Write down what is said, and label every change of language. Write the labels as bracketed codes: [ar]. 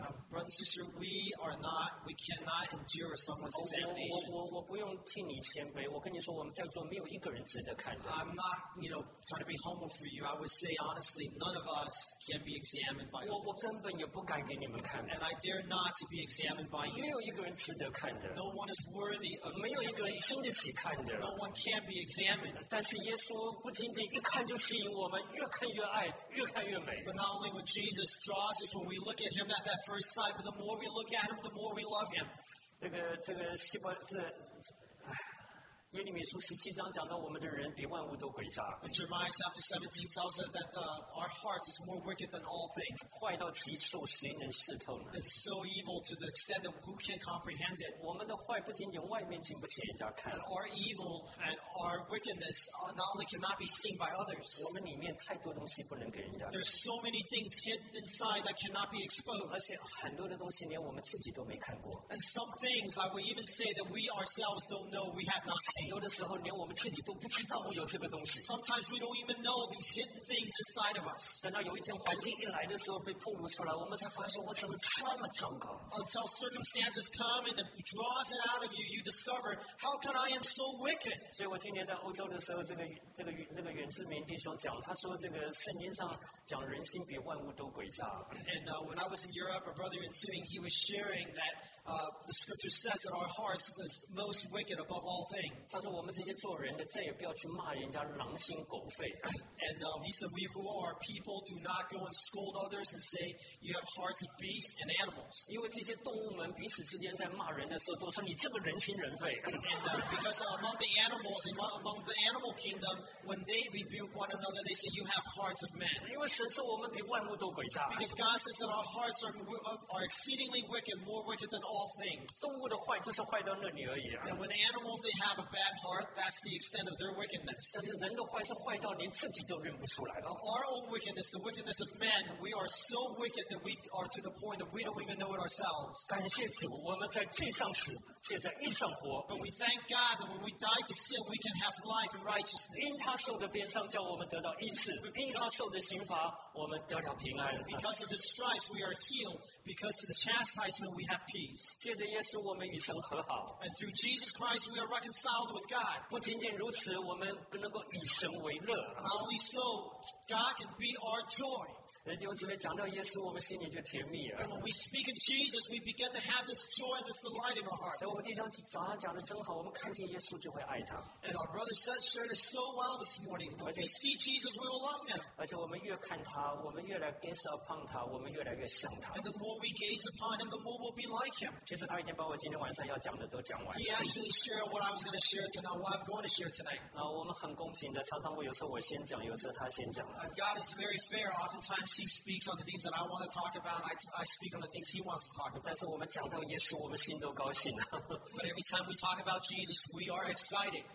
[en] Brothers and sisters, we are not, we cannot endure someone's examination. [zh] 我不用替你谦卑。我跟你说，我们在座没有一个人值得看的。 [en] I'm not, trying to be humble for you. I would say honestly, none of us can be examined by. [zh] 我根本也不敢给你们看。 [en] And I dare not to be examined by you. [zh] 没有一个人值得看的。 [en] No one is worthy of. [zh] 没有一个人经得起看的。 [en] No one can be examined. [zh] 但是耶稣不仅仅一看就吸引我们，越看越爱，越看越美。 [en] But not only when Jesus draws us, when we look at him at that first. But the more we look at him, the more we love him. [zh] 这个希伯这耶利米书十七章讲到我们的人比万物都诡诈。 [en] Jeremiah chapter 17 tells us that our hearts is more wicked than all things. [zh] 坏到极处，谁能识透呢 [en] ？It's so evil to the extent that who can comprehend it. [zh] 我们的坏不仅仅外面经不起人家看。 [en] And our evil and our wickedness not only cannot be seen by others. [zh] 我们里面太多东西不能给人家看。 [en] There's so many things hidden inside that cannot be exposed. [zh] 而且很多的东西连我们自己都没看过。 [en] And some things I would even say that we ourselves don't know, we have not seen. [zh] 有的时候连我们自己都不知道我有这个东西。 [en] Sometimes we don't even know these hidden things inside of us. [zh] 等到有一天环境一来的时候被暴露出来，我们才发现我怎么这么糟糕。 [en] Until circumstances come and it draws it out of you, you discover how can I am so wicked. [zh] 所以我今天在欧洲的时候，这个原住民弟兄讲，他说这个圣经上讲人心比万物都诡诈。 [en] And when I was in Europe, a brother in Sweden, he was sharing that. The scripture says that our hearts was most wicked above all things. [zh] 他说我们这些做人的再也不要去骂人家狼心狗肺。 [en] And he said, "We who are people do not go and scold others and say you have hearts of beasts and animals." [zh] 因为这些动物们彼此之间在骂人的时候都说你这个人心人肺。 [en] And because among the animals, among the animal kingdom, when they rebuke one another, they say you have hearts of men. [zh] 因为神说我们比万物都诡诈。 [en] Because God says that our hearts are exceedingly wicked, more wicked than. All things. And when animals they have a bad heart, that's the extent of their wickedness. [zh] 但是人的坏是坏到连自己都认不出来。 [en] Our own wickedness, the wickedness of men, we are so wicked that we are to the point that we don't even know it ourselves. [zh] 感谢主，我们在地上死，却在义上活。 [en] But we thank God that when we die to sin, we can have life and righteousness. [zh] 因他受的鞭伤叫我们得到医治，因他受的刑罚我们得了平安。 [en] Because of his stripes, we are healed. Because of the chastisement, we have peace. [zh] 借着耶稣，我们与神和好。 [en] And through Jesus Christ, we are reconciled with God. [zh] 不仅仅如此，我们能够以神为乐。 [en] Not only so, God can be our joy. [zh] 弟兄姊妹，讲到耶稣，我们心里就甜蜜啊。 [en] And when we speak of Jesus, we begin to have this joy, this delight in our hearts. [zh] 所以我们弟兄早上讲的真好，我们看见耶稣就会爱他。 [en] And our brother said, shared it so well this morning. When we see Jesus, we will love him. [zh] 而且我们越看他，我们越来 [en] gaze upon [zh] 他，我们越来越像他。 [en] And the more we gaze upon him, the more we'll be like him. [zh] 其实他已经把我今天晚上要讲的都讲完了。 [en] He actually shared what I was going to share tonight, what I'm going to share tonight. [zh] 我们很公平的，常常我有时候我先讲，有时候他先讲。 [en] God is very fair. Oftentimes he speaks on the things that I want to talk about, I speak on the things he wants to talk about. [zh] 但是我们讲到耶稣，我们心都高兴了。 [en] But every time we talk about Jesus, we are excited.